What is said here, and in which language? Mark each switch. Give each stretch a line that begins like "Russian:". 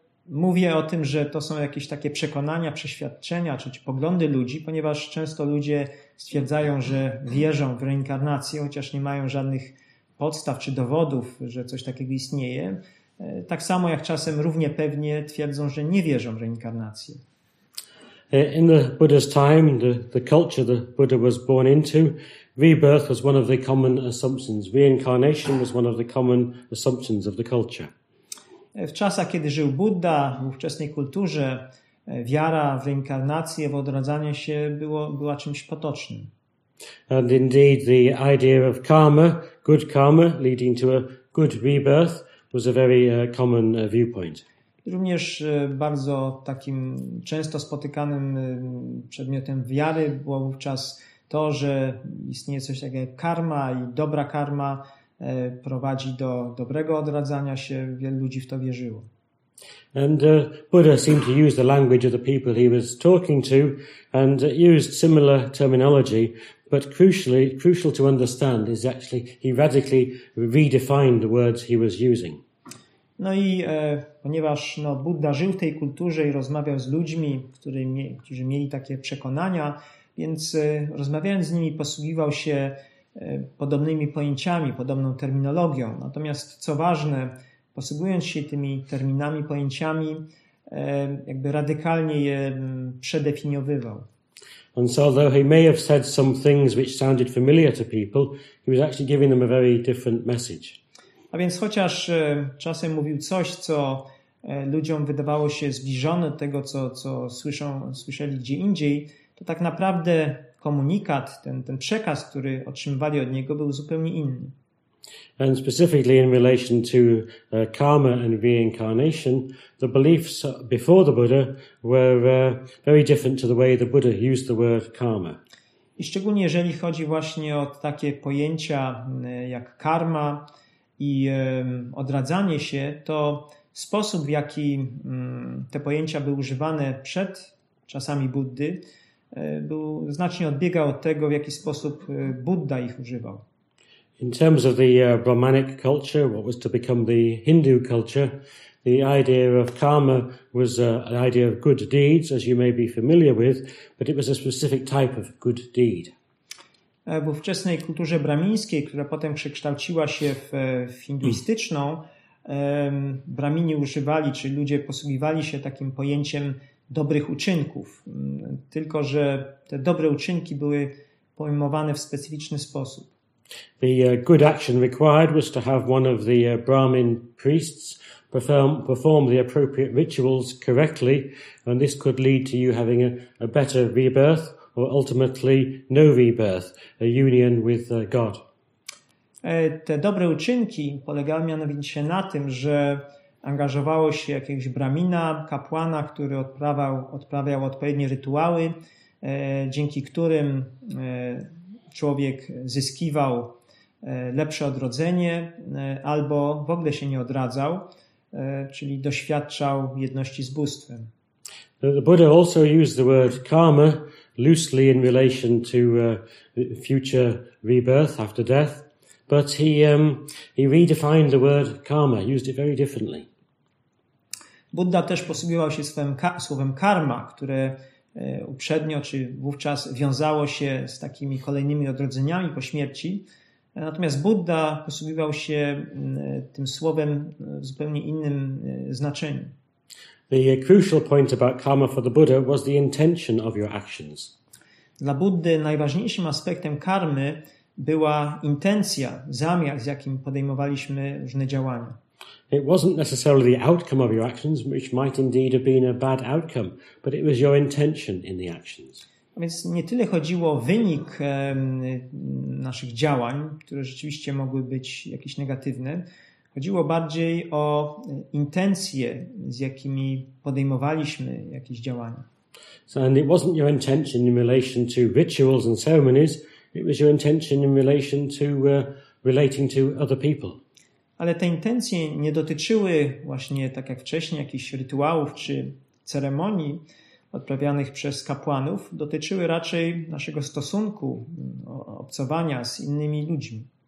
Polish: Mówię o tym, że to są jakieś takie przekonania, przeświadczenia czy poglądy ludzi, ponieważ często ludzie stwierdzają, że wierzą w reinkarnację, chociaż nie mają żadnych podstaw czy dowodów, że coś takiego istnieje. Tak samo jak czasem równie pewnie twierdzą, że nie wierzą w reinkarnację.
English: In the Buddha's time, the culture the Buddha was born into, rebirth was one of the common assumptions. Reincarnation was one of the common assumptions of the culture.
Polish: W czasach, kiedy żył Budda, w ówczesnej kulturze, wiara w reinkarnację, w odradzanie się była czymś potocznym.
English: And indeed the idea of karma, good karma, leading to a good rebirth, was a very common viewpoint.
Polish: Również bardzo takim często spotykanym przedmiotem wiary było wówczas to, że istnieje coś takiego jak karma i dobra karma prowadzi do dobrego odradzania się. Wielu ludzi w to wierzyło.
English: And Buddha seemed to use the language of the people he was talking to and used similar terminology, but crucial to understand is actually he radically redefined the words he was using.
Polish: No i ponieważ Budda żył w tej kulturze i rozmawiał z ludźmi, którzy mieli takie przekonania, więc rozmawiając z nimi posługiwał się podobnymi pojęciami, podobną terminologią. Natomiast co ważne, posługując się tymi terminami, pojęciami, jakby radykalnie je przedefiniowywał.
English: And so although he may have said some things which sounded familiar to people, he was actually giving them a very different message.
Polish: A więc chociaż czasem mówił coś, co ludziom wydawało się zbliżone tego, co słyszeli gdzie indziej, to tak naprawdę komunikat, ten przekaz, który otrzymywali od niego, był zupełnie inny.
English: And specifically in relation to karma and reincarnation, the beliefs before the Buddha were very different to the way the Buddha used the word karma.
Polish: I szczególnie jeżeli chodzi właśnie o takie pojęcia jak karma i odradzanie się, to sposób, w jaki te pojęcia były używane przed czasami Buddy, znacznie odbiegał od tego, w jaki sposób Budda ich używał.
English: In terms of the Brahmanic culture, what was to become the Hindu culture, the idea of karma was an idea of good deeds, as you may be familiar with, but it was a specific type of good deed.
Polish: W ówczesnej kulturze bramińskiej, która potem przekształciła się w hinduistyczną, bramini używali, czy ludzie posługiwali się takim pojęciem dobrych uczynków. Tylko, że te dobre uczynki były pojmowane w specyficzny sposób.
English: The good action required was to have one of the Brahmin priests perform the appropriate rituals correctly, and this could lead to you having a better rebirth. Or ultimately no rebirth, a union with God.
Polish: Te dobre uczynki polegały mianowicie na tym, że angażowało się jakiegoś bramina, kapłana, który odprawiał odpowiednie rytuały, dzięki którym człowiek zyskiwał lepsze odrodzenie albo w ogóle się nie odradzał, czyli doświadczał jedności z bóstwem.
English: The Buddha also used the word karma loosely in relation to future rebirth after death, but he redefined the word karma, used it very differently.
Polish: Buddha też posługiwał się słowem karma, które uprzednio czy wówczas wiązało się z takimi kolejnymi odrodzeniami po śmierci. Natomiast Buddha posługiwał się tym słowem w zupełnie innym znaczeniu.
English: The crucial point about karma for the Buddha was the intention of your actions.
Polish: Dla Buddy najważniejszym aspektem karmy była intencja, zamiar, z jakim podejmowaliśmy różne działania.
English: It wasn't necessarily the outcome of your actions, which might indeed have been a bad outcome, but it was your intention in the actions.
Polish: Więc nie tyle chodziło o wynik naszych działań, które rzeczywiście mogły być jakieś negatywne. Chodziło bardziej o intencje, z jakimi podejmowaliśmy jakieś działania.
English: So, and it wasn't your intention in relation to rituals and ceremonies, it was your intention in relation to relating to other people.
Polish: Ale te intencje nie dotyczyły właśnie, tak jak wcześniej, jakichś rytuałów czy ceremonii odprawianych przez kapłanów, dotyczyły raczej naszego stosunku, obcowania z innymi ludźmi.